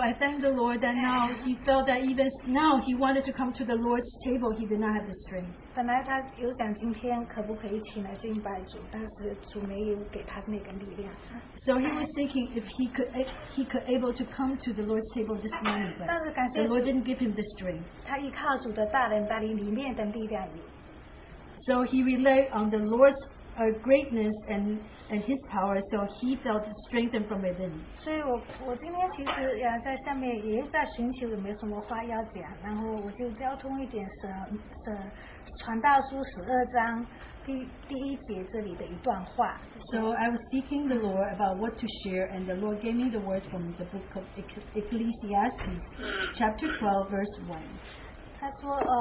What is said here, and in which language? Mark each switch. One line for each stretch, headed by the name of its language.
English: I thank the Lord that now he felt that even now he wanted to come to the Lord's table, he did not have the strength.
Chinese: 本来他有想今天可不可以起来敬拜主，但是主没有给他那个力量。
English: So he was thinking if he could able to come to the Lord's table this morning, but the Lord didn't give him the strength.
Chinese: 他依靠主的大能大力里面的力量。
English: So he relied on the Lord's greatness and his power, so he felt strengthened from within.
Chinese: 所以我今天其实在下面也在寻求有没有什么话要讲，然后我就交通一点神传道书十二章第一节这里的一段话。
English: So I was seeking the Lord about what to share, and the Lord gave me the words from the book of Ecclesiastes, chapter 12, verse 1.